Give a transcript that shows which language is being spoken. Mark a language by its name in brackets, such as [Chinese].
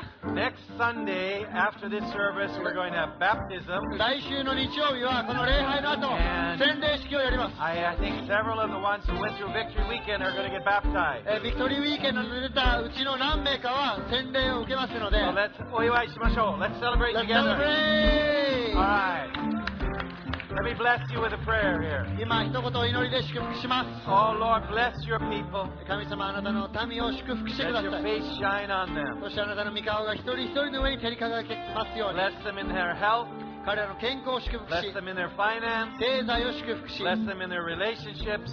[English] Next Sunday, after this service, we're going to have baptism. [Japanese] 来週の日曜日はこの礼拝の後、洗礼式をやります。 [English] I think several of the ones who went through Victory Weekend are going to get baptized. [Japanese] Victory Weekend に出たうちの何名かは洗礼を受けますので、 [English] well, let's [Japanese] お祝いしましょう。 [English] Let's celebrate let's together. Let's celebrate! All right. Let me bless you with a prayer here. [Japanese] 今一言お祈りで祝福します。 [English] Oh Lord, bless your people. [Japanese] 神様、あなたの民を祝福してください。 [English] Let your face shine on them. [Japanese] そしてあなたの御顔が一人一人の上に照り輝きますように。 [English] Bless them in their health. [Japanese] 彼らの健康を祝福し、 [English] Bless them in their finance. [Japanese] 経済を祝福し、 [English] Bless them in their relationships.